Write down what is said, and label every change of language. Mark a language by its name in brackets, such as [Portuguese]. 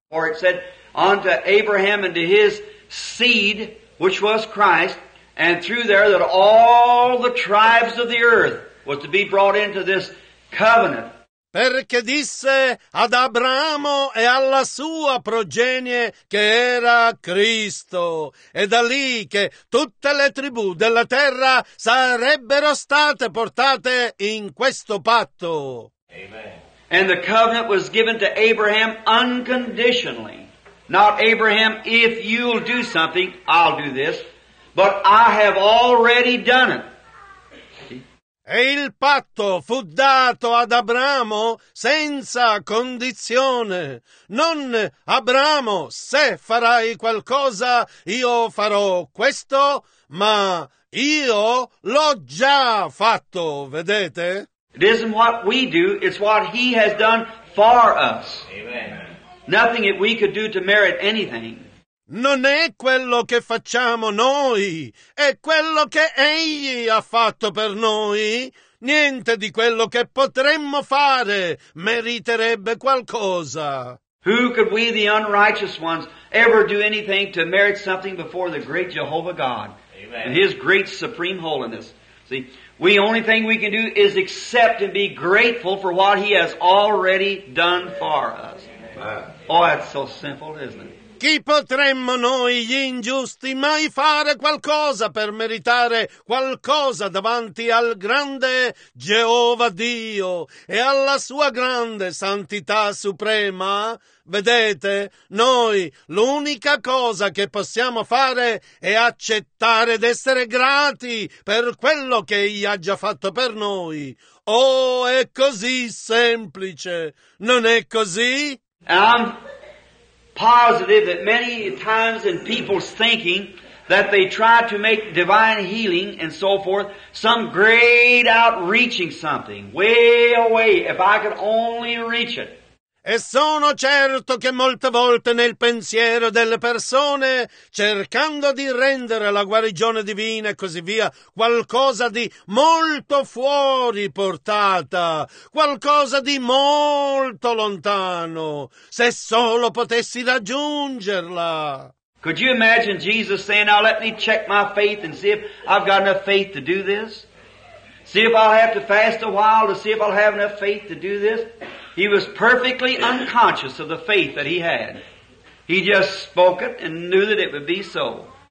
[English] Or it said, unto Abraham and to his seed, which was Christ, and through there that all the tribes of the earth was to be brought into this covenant. [Italian] Perché disse ad Abramo e alla sua progenie che era Cristo, e da lì che tutte le tribù della terra sarebbero state portate in questo patto. [English] Amen. And the covenant was given to Abraham unconditionally. Not Abraham, if you'll do something, I'll do this. But I have already done it. [Italian] E il patto fu dato ad Abramo senza condizione. Non Abramo, se farai qualcosa, io farò questo, ma Io l'ho già fatto, vedete? [English] It isn't what we do, it's what he has done for us. Amen. Nothing that we could do to merit anything. [Italian] Non è quello che facciamo noi, è quello che egli ha fatto per noi. Niente di quello che potremmo fare meriterebbe qualcosa. [English] Who could we, the unrighteous ones, ever do anything to merit something before the great Jehovah God? Amen. And his great supreme holiness. See, the only thing we can do is accept and be grateful for what he has already done for us. Amen. Oh, that's so simple, isn't it? [Italian] Chi potremmo noi, gli ingiusti, mai fare qualcosa per meritare qualcosa davanti al grande Geova Dio e alla sua grande santità suprema? Vedete, noi l'unica cosa che possiamo fare è accettare ed essere grati per quello che egli ha già fatto per noi. Oh, è così semplice, non è così? [English] Positive that many times in people's thinking that they try to make divine healing and so forth some great outreaching something way away, if I could only reach it. [Italian] E sono certo che molte volte nel pensiero delle persone, cercando di rendere la guarigione divina e così via, qualcosa di molto fuori portata, qualcosa di molto lontano, se solo potessi raggiungerla. [English] Could you imagine Jesus saying, now let me check my faith and see if I've got enough faith to do this? See if I'll have to fast a while to see if I'll have enough faith to do this? He was perfectly unconscious of the faith that he had. He just spoke it and knew that it would be so.